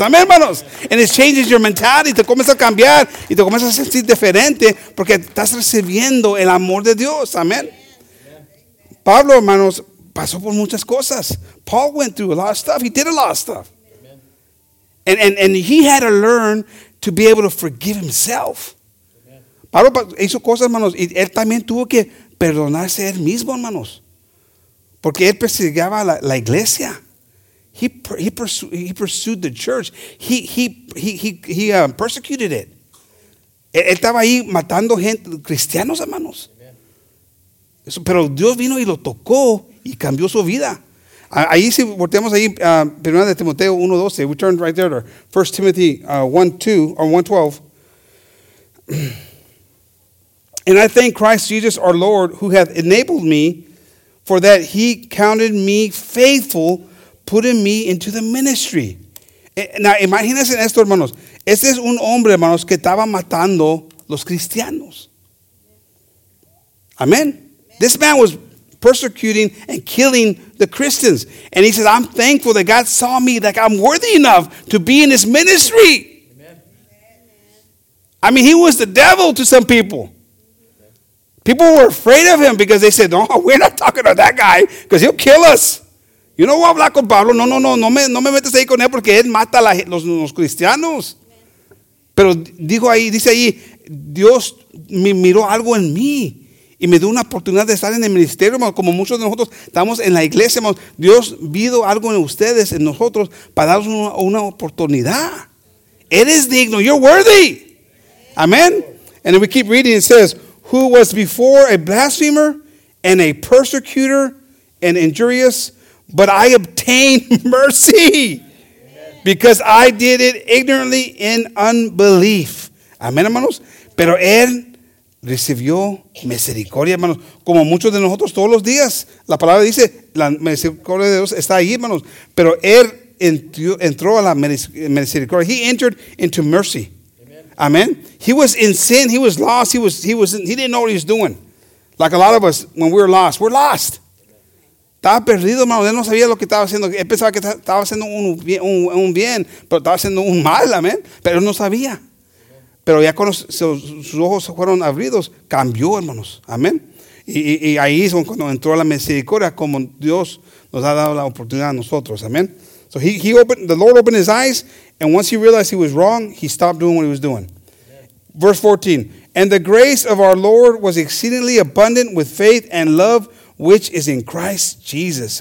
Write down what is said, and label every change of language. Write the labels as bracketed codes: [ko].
[en] Amen, hermanos. And it changes your mentality. [es] Te comienza a cambiar y te comienza a sentir diferente porque estás recibiendo el amor de Dios. Amen. Pablo, hermanos, pasó por muchas cosas. [en] Paul went through a lot of stuff. He did a lot of stuff. And he had to learn to be able to forgive himself. [es] Pablo hizo cosas, hermanos, y él también tuvo que perdonarse él mismo, hermanos. Porque él perseguía la iglesia. [en] He pursued the church. He persecuted it. [es] Él estaba ahí matando gente, cristianos, hermanos. Eso, pero Dios vino y lo tocó y cambió su vida. Ahí si volteamos ahí, primera de Timoteo 1:12, [en] we turned right there to 1 Timothy 1:12. And I thank Christ Jesus our Lord who hath enabled me for that he counted me faithful, putting me into the ministry. [es] Now imagínense esto, hermanos. Este es un hombre, hermanos, que estaba matando los cristianos. Amen. [en] This man was persecuting and killing the Christians. And he says, I'm thankful that God saw me, that I'm worthy enough to be in his ministry. Amen. I mean, he was the devil to some people. People were afraid of him because they said, no, we're not talking to that guy because he'll kill us. [es] Yo no voy a hablar con Pablo. No, no, no, no me, no me metas ahí con él porque él mata a los cristianos. Pero dijo ahí, dice ahí, Dios me miró algo en mí y me dio una oportunidad de estar en el ministerio, como muchos de nosotros estamos en la iglesia. Dios vio algo en ustedes, en nosotros, para darnos una oportunidad. Eres digno. [en] You're worthy. Amen. And we keep reading. It says, who was before a blasphemer and a persecutor and injurious, but I obtained mercy because I did it ignorantly in unbelief. [es] Amen, hermanos. Pero él recibió misericordia, hermanos, como muchos de nosotros todos los días. La palabra dice, la misericordia de Dios está ahí, hermanos. Pero él entró a la misericordia. [en] He entered into mercy. Amen. He was in sin. He was lost. He didn't know what he was doing. Like a lot of us, when we're lost, we're lost. [es] Estaba perdido, hermano. Él no sabía lo que estaba haciendo. Él pensaba que estaba haciendo un bien, pero estaba haciendo un mal, amén. Pero él no sabía. Pero ya cuando sus ojos fueron abridos, cambió, hermanos. Amén. Y ahí es cuando entró la misericordia, como Dios nos ha dado la oportunidad a nosotros. Amén. [en] So he opened, the Lord opened his eyes, and once he realized he was wrong, he stopped doing what he was doing. Verse 14, and the grace of our Lord was exceedingly abundant with faith and love, which is in Christ Jesus.